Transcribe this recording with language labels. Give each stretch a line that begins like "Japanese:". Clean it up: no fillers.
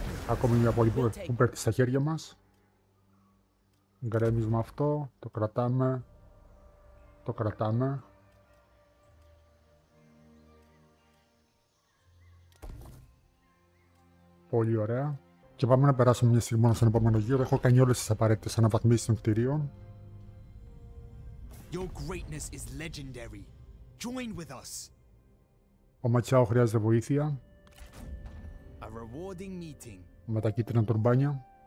Greek: Ακόμη μια πόλη που παίρνει στα χέρια μας. Γκρέμισμα αυτό, το κρατάμε. Το κρατάμε. Πολύ ωραία. Και πάμε να περάσουμε μια στιγμή μόνο στον επόμενο γύρο. Έχω κάνει όλες τις απαραίτητες αναβαθμίσεις των κτηρίων.
English: Your greatness is legendary. Join with us.
Greek: Ο Ματσιάο χρειάζεται βοήθεια.
English: A rewarding meeting.
Greek: Με τα κίτρινα τουρμπάνια.